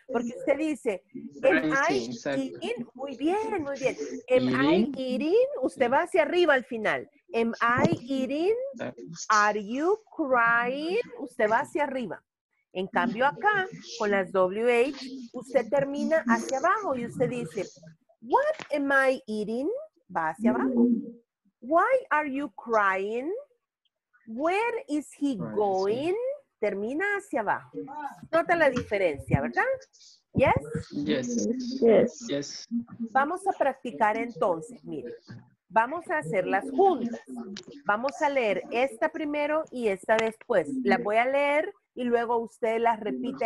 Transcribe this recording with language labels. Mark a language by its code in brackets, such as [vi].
[es] Porque usted dice, [en] am rising, I exactly. eating? [es] Muy bien, muy bien. [en] Am eating? I eating? [es] Usted va hacia arriba al final. [en] Am I eating? Are you crying? [es] Usted va hacia arriba. En cambio acá, con las WH, usted termina hacia abajo y usted dice, [en] what am I eating? [es] Va hacia abajo. [en] Why are you crying? Where is he going? [es] termina hacia abajo. Nota la diferencia, ¿verdad? [en] Yes. Yes. Yes. Yes. [es] Vamos a practicar entonces, miren. Vamos a hacerlas juntas. Vamos a leer esta primero y esta después. La voy a leer y luego usted las repite.